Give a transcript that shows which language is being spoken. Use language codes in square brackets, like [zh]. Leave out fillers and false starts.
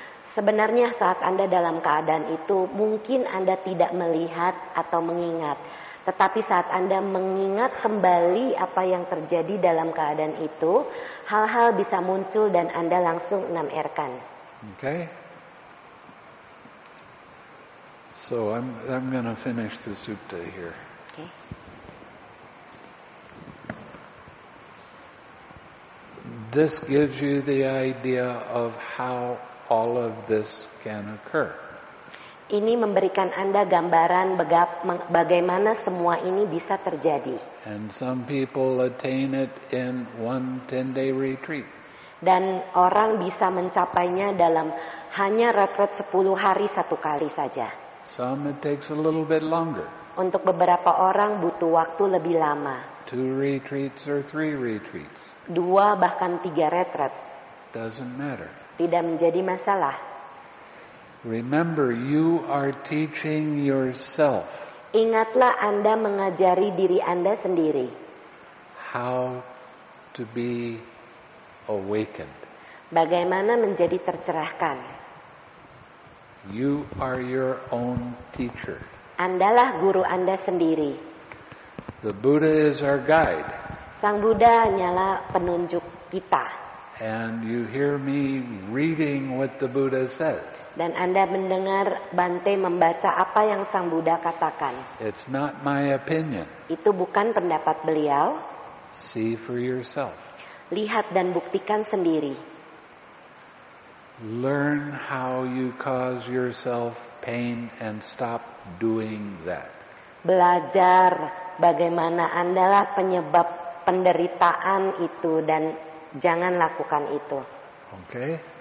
[id] Sebenarnya saat Anda dalam keadaan itu, mungkin Anda tidak melihat atau mengingat. Tetapi saat Anda mengingat kembali apa yang terjadi dalam keadaan itu, hal-hal bisa muncul dan Anda langsung namerkan. [en] Okay. So I'm gonna finish the sutta here. Okay. This gives you the idea of how all of this can occur. [id] Ini memberikan Anda gambaran bagaimana semua ini bisa terjadi. [en] And some people attain it in one 10-day retreat. [id] Dan orang bisa mencapainya dalam hanya retreat 10 hari satu kali saja. [en] Some it takes a little bit longer. [id] Untuk beberapa orang butuh waktu lebih lama. [en] 2 retreats or 3 retreats. [id] 2 bahkan 3 retreat. [en] Doesn't matter. [id] Tidak menjadi masalah. [en] Remember, you are teaching yourself. [id] Ingatlah Anda mengajari diri Anda sendiri. [en] How to be awakened. [id] Bagaimana menjadi tercerahkan. [en] You are your own teacher. [id] Andalah guru Anda sendiri. [en] The Buddha is our guide. [id] Sang Buddha hanyalah penunjuk kita. [en] And you hear me reading what the Buddha says. [id] Dan Anda mendengar Bante membaca apa yang Sang Buddha katakan. [en] It's not my opinion. [id] Itu bukan pendapat beliau. [en] See for yourself. [id] Lihat dan buktikan sendiri. [en] Learn how you cause yourself pain and stop doing that. [id] Belajar bagaimana andalah penyebab penderitaan itu dan jangan lakukan itu. [en] Okay.